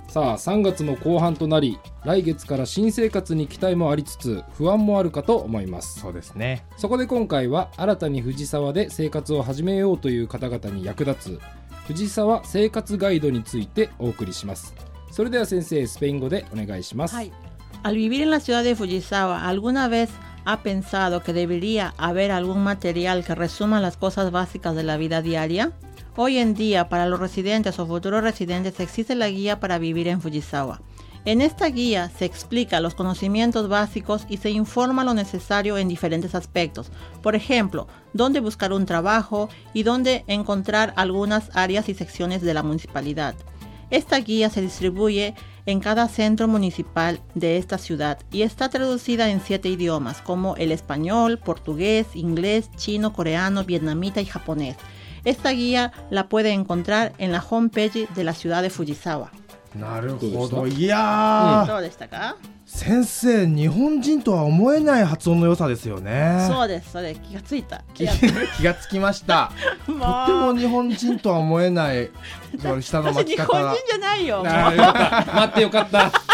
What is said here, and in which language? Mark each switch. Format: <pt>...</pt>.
<ja>さあ3月も後半となり、来月から新生活に期待もありつつ不安もあるかと思います。そうですね。そこで今回は新たに藤沢で生活を始めようという方々に役立つ藤沢生活ガイドについてお送りします。それでは先生、スペイン語でお願いします。</ja> <es>はい。Al vivir en la ciudad de Fujisawa, alguna vez ha pensado que debería haber algún material que resuma las cosas básicas de la vida diaria? Hoy en día, para los residentes o futuros residentes, existe la guía para vivir en Fujisawa. En esta guía se explica los conocimientos básicos y se informa lo necesario en diferentes aspectos. Por ejemplo, dónde buscar un trabajo y dónde encontrar algunas áreas y secciones de la municipalidad. Esta guía se distribuye en cada centro municipal de esta ciudad y está traducida en 7 idiomas, como el español, portugués, inglés, chino, coreano, vietnamita y japonés. Esta guía la puede encontrar en la homepage de la ciudad de Fujisawa.</es> <ja>なるほど。いやどうでしたか？先生、日本人とは思えない発音の良さですよね。そうです、それ気がついた。気がつきました。とっても日本人とは思えない下の巻き方。私日本人じゃないよ。待ってよかった。</ja>